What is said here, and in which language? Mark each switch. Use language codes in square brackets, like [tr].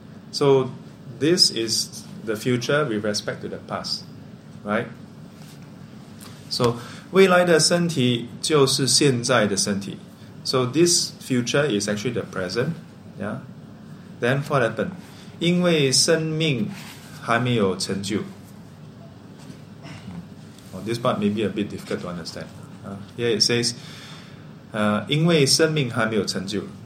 [en] So this is the future with respect to the past, right? [zh] So 未来的身体就是现在的身体. [en] So this future is actually the present, yeah? Then what happened? [zh] 因为生命还没有成就. [en] Well, this part may be a bit difficult to understand. Here it says, [zh] 因为生命还没有成就.